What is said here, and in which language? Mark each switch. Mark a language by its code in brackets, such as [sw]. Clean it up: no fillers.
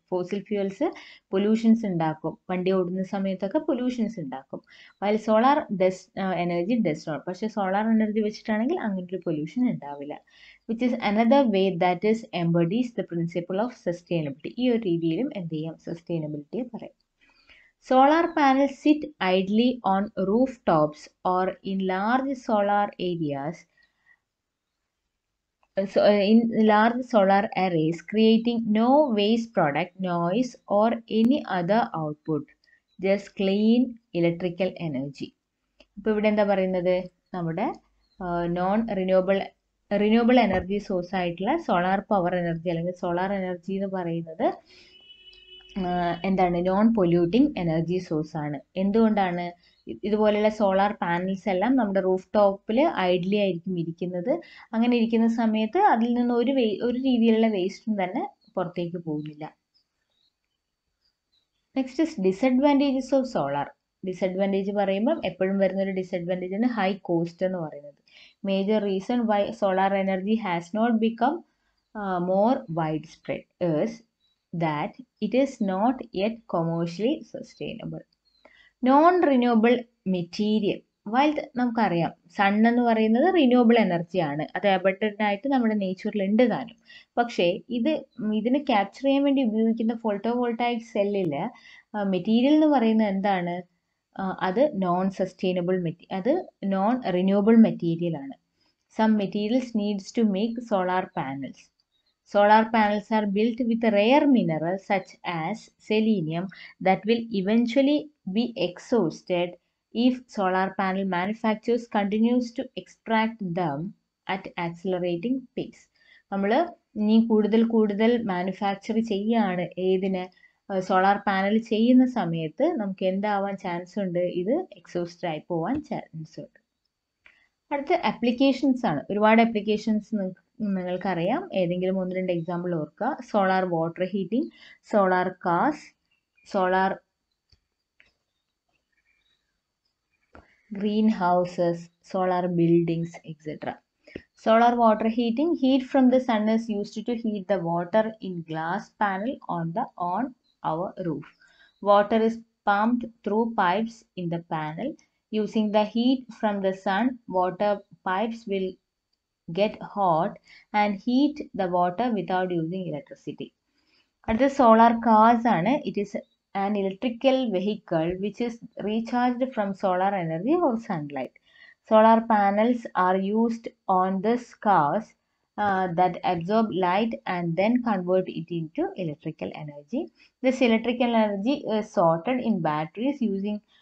[ml] Fossil fuels pollutions ഉണ്ടാക്കും, വണ്ടി ഓടുന്ന സമയത്തൊക്കെ പൊല്യൂഷൻസ് ഉണ്ടാക്കും. [en] while solar energy does not, [ml] പക്ഷേ സോളാർ എനർജി വെച്ചിട്ടാണെങ്കിൽ അങ്ങനൊരു പൊല്യൂഷൻ ഉണ്ടാവില്ല. [en] Which is another way that is embodies the principle of sustainability. [ml] ഈ ഒരു രീതിയിലും എന്ത് ചെയ്യാം, സസ്റ്റൈനബിലിറ്റിയെ പറയാം. [en] Solar panels sit idly on rooftops or in large solar areas, so in large solar arrays, creating no waste product, noise or any other output, just clean electrical energy. [ml] ഇപ്പൊ ഇവിടെ എന്താ പറയുന്നത്, നമ്മുടെ നോൺ റിന്യൂവബിൾ എനർജി സോഴ്സ് ആയിട്ടുള്ള solar power energy അല്ലെങ്കിൽ solar energy എന്ന് പറയുന്നത് എന്താണ്, നോൺ പൊല്യൂട്ടിങ് എനർജി സോഴ്സ് ആണ്. എന്തുകൊണ്ടാണ് ഇതുപോലെയുള്ള സോളാർ പാനൽസ് എല്ലാം നമ്മുടെ റൂഫ് ടോപ്പിൽ ഐഡ്ലി ആയിരിക്കും ഇരിക്കുന്നത്. അങ്ങനെ ഇരിക്കുന്ന സമയത്ത് അതിൽ നിന്ന് ഒരു രീതിയിലുള്ള വേസ്റ്റും തന്നെ പുറത്തേക്ക് പോകുന്നില്ല. [en] Next is disadvantages of solar. [ml] Disadvantage പറയുമ്പം എപ്പോഴും വരുന്ന ഒരു ഡിസഡ്വാൻറ്റേജ് ആണ് ഹൈ കോസ്റ്റ് എന്ന് പറയുന്നത്. [en] Major reason why solar energy has not become more wide spread is that it is not yet commercially sustainable. Non-renewable material. [ml] While നമുക്കറിയാം സണ് എന്ന് പറയുന്നത് റിന്യൂവബിൾ എനർജി ആണ്, അത് അബണ്ടൻ്റ് ആയിട്ട് നമ്മുടെ നേച്ചറിൽ ഉണ്ട് താനും. പക്ഷേ ഇതിനെ ക്യാപ്ചർ ചെയ്യാൻ വേണ്ടി ഉപയോഗിക്കുന്ന ഫോട്ടോ വോൾട്ടായിക് സെല്ലിൽ മെറ്റീരിയൽ എന്ന് പറയുന്നത് എന്താണ്, അത് നോൺ സസ്റ്റൈനബിൾ അത് നോൺ റിന്യൂവബിൾ മെറ്റീരിയൽ ആണ്. [en] Some materials needs to make solar panels. Solar panels are built with rare minerals such as selenium that will eventually be exhausted if solar panel manufacturers continues to extract them at accelerating pace. [ml] നമ്മൾ ഇനി കൂടുതൽ കൂടുതൽ manufacture ചെയ്യുകയാണ്, ഏതിനെ solar panel ചെയ്യുന്ന സമയത്ത് നമുക്ക് എന്താവാൻ chance ഉണ്ട്, ഇത് എക്സോസ്റ്റഡ് ആയി പോവാൻ ചാൻസ് ഉണ്ട്. അടുത്ത അപ്ലിക്കേഷൻസ് ആണ്, ഒരുപാട് അപ്ലിക്കേഷൻസ് നിങ്ങൾക്കറിയാം. ഏതെങ്കിലും ഒന്ന് രണ്ട് എക്സാമ്പിൾ ഓർക്കുക, solar water heating, solar cars, solar green houses, solar buildings etcetera. [en] Solar water heating, heat from the sun is used to heat the water in glass panel on our roof. Water is pumped through pipes in the panel. Using the heat from the sun, water pipes will get hot and heat the water without using electricity. At the solar cars, it is an electrical vehicle which is recharged from solar energy or sunlight. Solar panels are used on this cars that absorb light and then convert it into electrical energy. This electrical energy is sorted in batteries using